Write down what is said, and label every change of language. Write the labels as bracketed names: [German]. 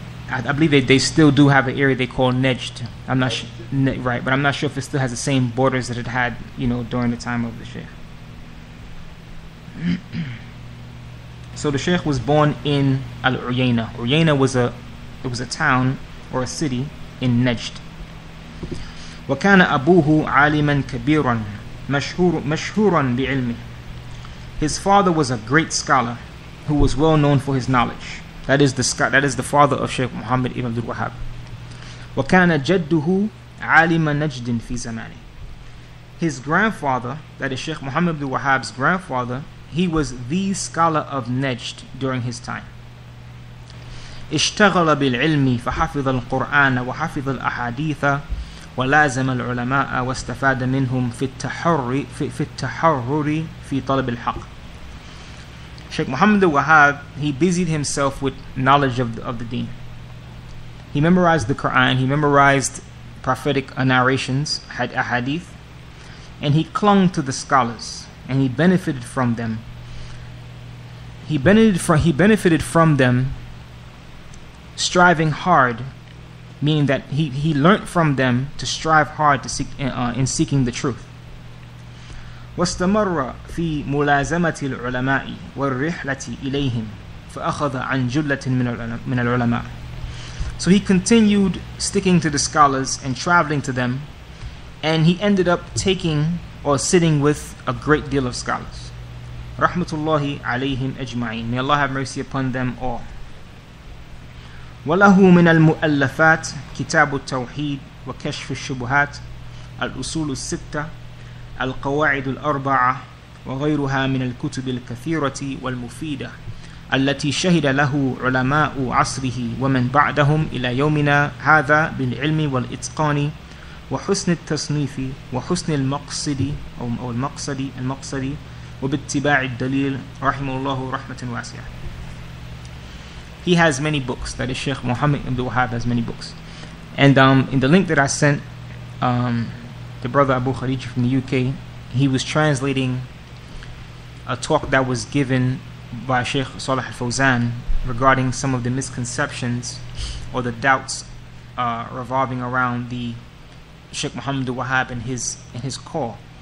[English] I believe they still do have an area they call Najd. I'm not sure, right, but I'm not sure if it still has the same borders that it had, you know, during the time of the Sheikh. So the Sheikh was born in Al Uyayna. Uyayna was a town or a city in Najd. [Arabic] وكان أبوه عالما كبيرا مشهورا بعلمه. [English] His father was a great scholar who was well known for his knowledge. That is the father of Sheikh Muhammad ibn Abdul Wahhab. [Arabic] وكان جده عالم نجد في زمانه. [English] His grandfather, that is Sheikh Muhammad ibn Wahhab's grandfather, he was the scholar of Najd during his time. [Arabic] اشتغل بالعلم فحفظ القرآن وحفظ الأحاديث ولازم العلماء واستفاد منهم في التحرر في طلب الحق. [English] Sheikh Muhammad al-Wahhab, he busied himself with knowledge of the deen. He memorized the Quran, he memorized prophetic narrations, had ahadith, and he clung to the scholars and he benefited from them. He benefited from them striving hard, meaning that he learnt from them to strive hard to seek in seeking the truth. [Arabic] واستمر في ملازمة العلماء والرحلة إليهم فأخذ عن جلة من العلماء. [English] So he continued sticking to the scholars and traveling to them, and he ended up taking or sitting with a great deal of scholars. [Arabic] رحمة الله عليهم أجمعين. [English] May Allah have mercy upon them all. [Arabic] وله من المؤلفات كتاب التوحيد وكشف الشبهات الأصول الستة القواعد الأربعة وغيرها من الكتب الكثيرة والمفيدة التي شهد له علماء عصره ومن بعدهم إلى يومنا هذا بالعلم والإتقان وحسن التصنيف وحسن المقصد أو المقصد وباتباع الدليل رحمه الله رحمة واسعة. [English] He has many books. That is Sheikh Muhammad Ibn Wahhab has many books. And in the link that I sent, the brother Abu Khadija from the UK, he was translating a talk that was given by Sheikh Salah Al-Fawzan regarding some of the misconceptions or the doubts revolving around the Sheikh Muhammad Al-Wahhab and his call.